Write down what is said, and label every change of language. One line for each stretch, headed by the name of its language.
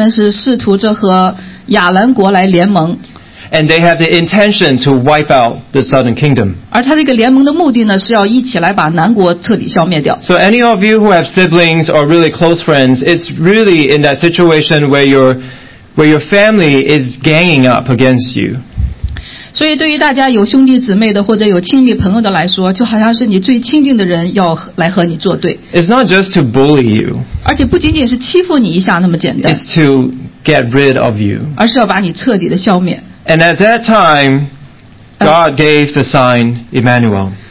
Chinese: 北国的这个国王呢，他们是试图着和亚兰国来联盟。
English: And they have the intention to wipe out the southern kingdom.
Chinese: 而他这个联盟的目的呢，是要一起来把南国彻底消灭掉。
English: So any of you who have siblings or really close friends, it's really in that situation where your family is ganging up against you.
Chinese: 所以对于大家有兄弟姊妹的或者有亲密朋友的来说，就好像是你最亲近的人要来和你作对。
English: It's not just to bully you.
Chinese: 而且不仅仅是欺负你一下那么简单。
English: It's to get rid of you.
Chinese: 而是要把你彻底的消灭。
English: And at that time, God gave the sign Emmanuel.